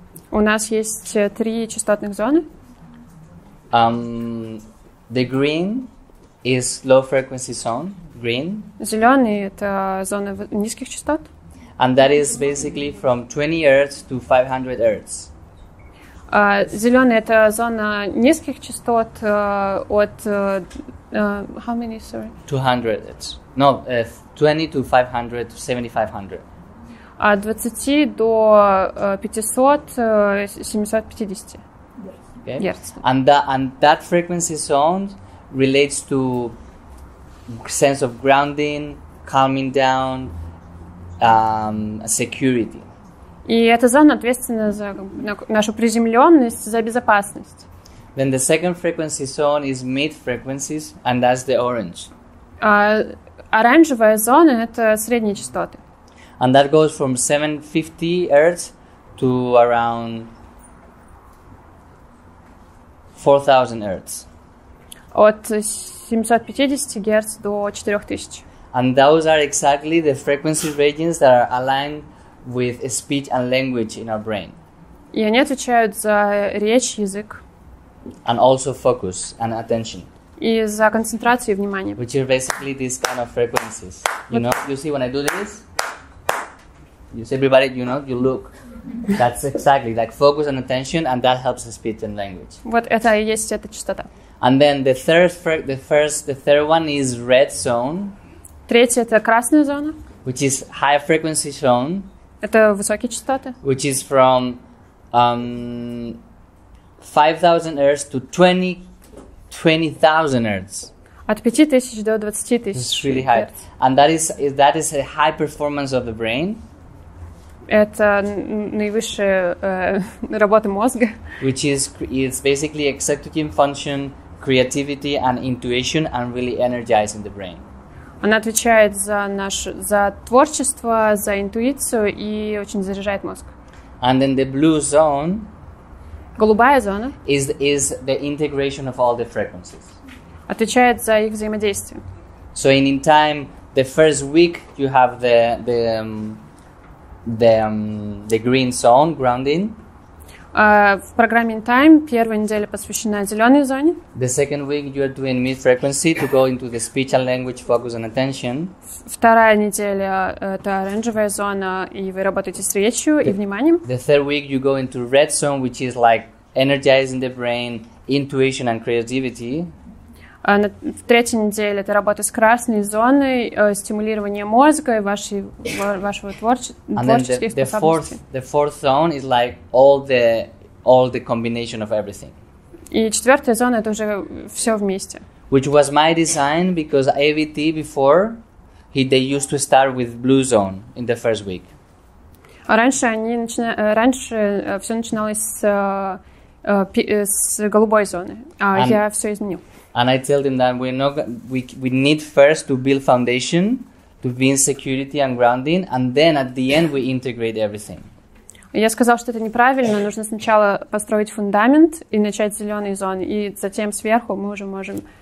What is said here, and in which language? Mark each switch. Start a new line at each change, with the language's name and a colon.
Russian: У нас есть три частотных зоны.
English: The green is low frequency zone. Green.
Russian: Зеленый это зона низких частот.
English: And that is basically from 20 Hz to 500 Hz.
Russian: Зеленый это зона низких частот от
English: how many, sorry? 200 Hz. No, 20 to 500 to 7500.
Russian: От 20 до 500, 750 Hz.
English: Okay. And that frequency zone relates to sense of grounding, calming down, security.
Russian: И эта зона ответственна за нашу приземленность, за безопасность.
English: Then the second frequency zone is mid frequencies, and that's the orange.
Russian: Оранжевая зона — это средние частоты.
English: And that goes from 750 Hz to around 4000 Hz.
Russian: от 750 Гц до 4000.
English: And those are exactly the frequency ranges that are aligned with speech and language in our brain.
Russian: И они отвечают за речь, язык.
English: And also focus and attention.
Russian: И за концентрацию и внимание.
English: Which are basically these kind of frequencies. You know, you see when I do this, you see everybody, you know, you look. That's exactly like focus and attention, and that helps speech and language.
Russian: Вот это и есть эта частота.
English: And then the third one is red zone.
Russian: Третья — это красная зона.
English: Which is high frequency zone.
Russian: Это высокие частоты.
English: Which is from 5,000 Hz to 20,000 Hz.
Russian: От 5000 до 20,000 Hz.
English: It's really high. And that is a high performance of the brain.
Russian: Это наивысшая работа мозга.
English: Which is basically executive function, creativity and intuition, and really energizing the brain.
Russian: Она отвечает за творчество, за интуицию и очень заряжает мозг.
English: And then the blue zone.
Russian: Голубая зона.
English: Is the integration of all the frequencies.
Russian: Отвечает за их взаимодействие.
English: So in time, the first week you have the green zone, grounding.
Russian: В программе In Time первая неделя посвящена зеленой зоне.
English: The second week you are doing mid frequency to go into the speech and language focus and attention.
Russian: Вторая неделя — это оранжевая зона, и вы работаете с речью и вниманием.
English: The third week you go into red zone, which is like energizing the brain, intuition and creativity.
Russian: В третьей неделе — это работа с красной зоной, стимулирование мозга и вашего творческих способностей.
English: The fourth zone is like all the combination of everything.
Russian: И четвертая зона — это уже все вместе.
English: Which was my design, because AVT before they used to start with blue zone in the first week.
Russian: Раньше все начиналось с голубой зоны, а я все изменил.
English: And I tell them that we need first to build foundation, to build security and grounding, and then at the end we integrate everything.
Russian: Я сказал, что это неправильно. Нужно сначала построить фундамент и начать с зеленой зоны, и затем сверху мы уже можем.